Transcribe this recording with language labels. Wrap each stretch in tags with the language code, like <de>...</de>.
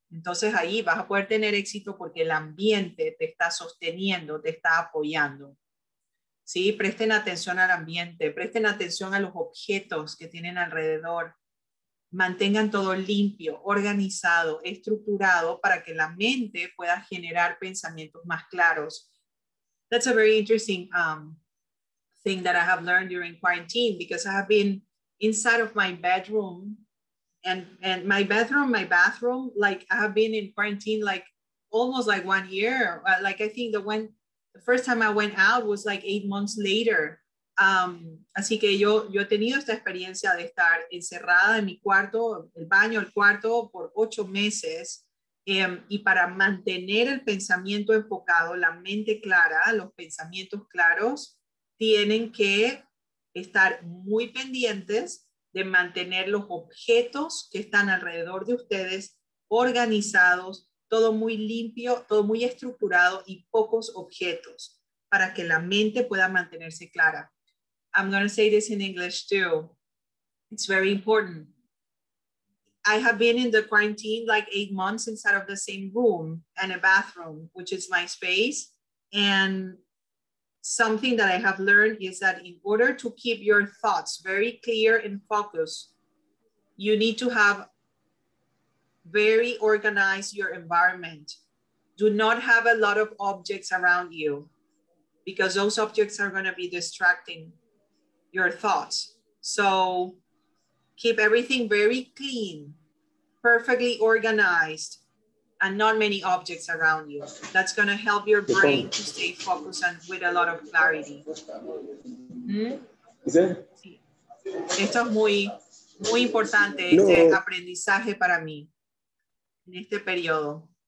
<es>Entonces ahí vas a poder tener éxito porque el ambiente te está sosteniendo, te está apoyando. Sí, presten atención al ambiente, presten atención a los objetos que tienen alrededor. Mantengan todo limpio, organizado, estructurado para que la mente pueda generar pensamientos más claros.</es> <en>that's a very interesting thing that I have learned during quarantine, because I have been inside of my bedroom and my bathroom, like I have been in quarantine like almost like 1 year. Like I think the first time I went out was like 8 months later.</en> <es>Así que yo he tenido esta experiencia de estar encerrada en mi cuarto, el baño, el cuarto, por 8 meses. Y para mantener el pensamiento enfocado, la mente clara, los pensamientos claros, tienen que estar muy pendientes de mantener los objetos que están alrededor de ustedes organizados, todo muy limpio, todo muy estructurado y pocos objetos para que la mente pueda mantenerse clara.</es> <en>I'm going to say this in English too. It's very important. I have been in the quarantine like 8 months inside of the same room and a bathroom, which is my space. And something that I have learned is that in order to keep your thoughts very clear and focused, you need to have very organized your environment. Do not have a lot of objects around you, because those objects are going to be distracting your thoughts. So keep everything very clean, perfectly organized, and not many objects around you. That's going to help your brain to stay focused and with a lot of clarity.</en> <es>Esto es muy, muy importante, este aprendizaje para mí en este periodo.</es>